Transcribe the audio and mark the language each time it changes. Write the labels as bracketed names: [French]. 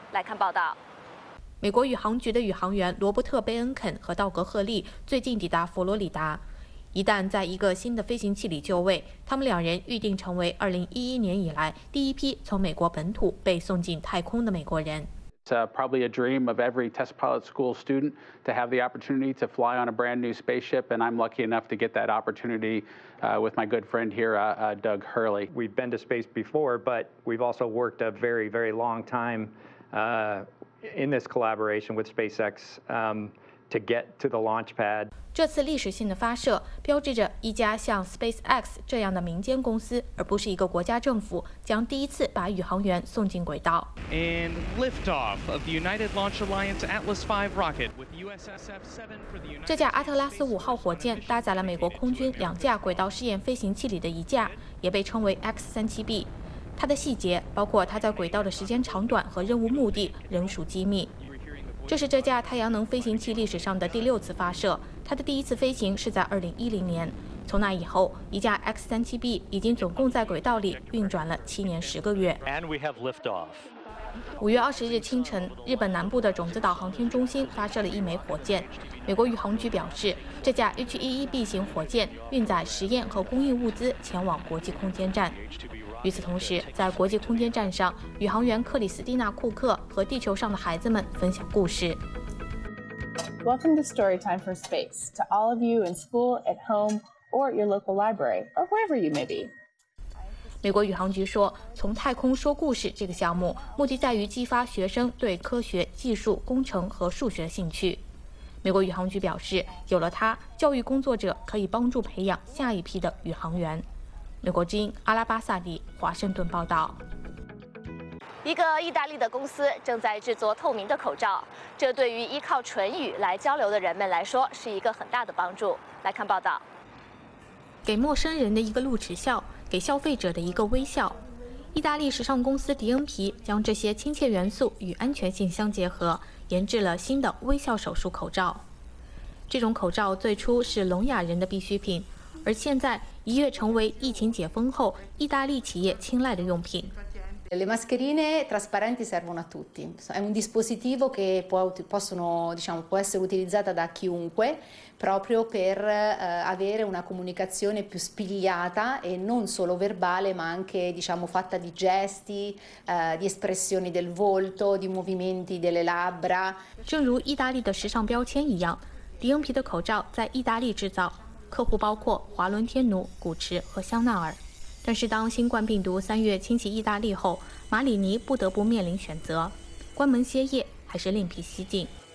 [Chinese] 来看报道。美国宇航局的宇航员罗伯特·贝恩肯和道格·赫利最近抵达佛罗里达，一旦在一个新的飞行器里就位，他们两人预定成为2011年以来第一批从美国本土被送进太空的美国人。 [English] It's probably a dream of every test pilot school student to have the opportunity to fly on a brand new spaceship, and I'm lucky enough to get that opportunity with my good friend here, Doug Hurley. We've been to space before, but we've also worked a very, very long time in this collaboration with SpaceX to get to the launch pad. [Chinese] 这次历史性的发射标志着一家像 SpaceX 这样的民间公司，而不是一个国家政府，将第一次把宇航员送进轨道。 [English] And liftoff of the United Launch Alliance Atlas V rocket with USSF 7 for the United [Chinese] 这架阿特拉斯五号火箭搭载了美国空军两架轨道试验飞行器里的一架，也被称为 X-37B。它的细节，包括它在轨道的时间长短和任务目的，仍属机密。这是这架太阳能飞行器历史上的第六次发射，它的第一次飞行是在2010年。从那以后，一架 X-37B 已经总共在轨道里运转了7年10个月。 [English] And we have liftoff. [Chinese] 5月20日清晨，日本南部的种子岛航天中心发射了一枚火箭。美国宇航局表示，这架 H-11B 型火箭运载实验和工艺物资前往国际空间站。与此同时，在国际空间站上，宇航员克里斯蒂娜·库克和地球上的孩子们分享故事。 [English] Welcome to Storytime for Space, to all of you in school, at home, or at your local library, or wherever you may be. [Chinese] 美国宇航局说，从太空说故事这个项目目的在于激发学生对科学、技术、工程和数学兴趣。美国宇航局表示，有了它，教育工作者可以帮助培养下一批的宇航员。美国之音阿拉巴萨蒂华盛顿报道。一个意大利的公司正在制作透明的口罩，这对于依靠唇语来交流的人们来说是一个很大的帮助。来看报道。给陌生人的一个露齿笑，给消费者的一个微笑，意大利时尚公司迪恩皮将这些亲切元素与安全性相结合，研制了新的微笑手术口罩。这种口罩最初是聋哑人的必需品，而现在一跃成为疫情解封后意大利企业青睐的用品。 [Italian] Le mascherine trasparenti servono a tutti. È un dispositivo che può essere utilizzata da chiunque proprio per avere una comunicazione più spigliata e non solo verbale, ma anche fatta di gesti, di espressioni del volto, di movimenti delle labbra. [Chinese] 正如意大利的时尚标签一样，迪恩皮的口罩在意大利制造，客户包括华伦天奴、古驰和香奈儿。但是当新冠病毒三月侵袭意大利后，马里尼不得不面临选择，关门歇业还是另辟蹊径。